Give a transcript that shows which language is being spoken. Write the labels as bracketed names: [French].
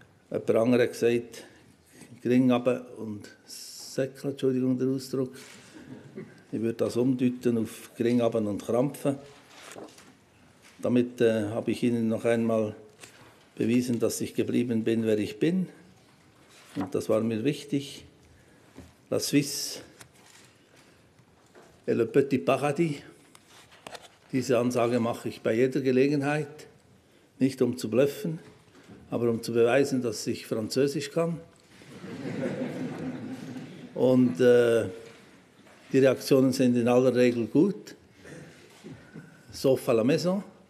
[German] Jemand andere hat gesagt, Gring aber und Säckl, Entschuldigung, der Ausdruck. Ich würde das umdeuten auf Kringhaben und Krampfen. Damit habe ich Ihnen noch einmal bewiesen, dass ich geblieben bin, wer ich bin. Und das war mir wichtig. [French] La Suisse et le petit paradis. [German] Diese Ansage mache ich bei jeder Gelegenheit. Nicht um zu bluffen, aber um zu beweisen, dass ich Französisch kann. Und die Reaktionen sind in aller Regel gut. [French] Sauf à la maison.